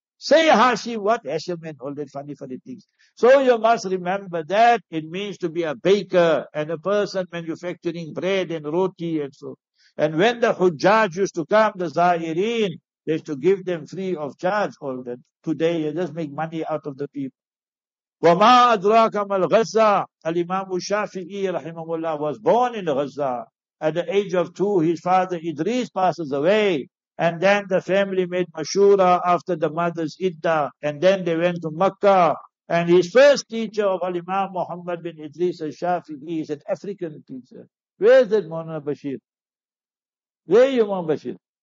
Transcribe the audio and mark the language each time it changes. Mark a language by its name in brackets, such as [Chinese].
[English] Say Hashim, what Hashim and all that funny, funny things. So you must remember that it means to be a baker and a person manufacturing bread and roti and so. And when the Hujjaj used to come, the Zahirin, they used to give them free of charge all that. Today you just make money out of the people. [Arabic] وَمَا أَدْرَاكَ مَا الْغَزَى الْإِمَامُ الشَّافِعِي رَحِمَهُ اللَّهُ [English] was born in Gaza. At the age of two, his father Idris passes away. And then the family made Mashura after the mother's Idda. And then they went to Makkah. And his first teacher of Al-Imam Muhammad bin Idris al-Shafi'i is an African teacher. Where is that Mona Bashir? Where are you, Mona Bashir?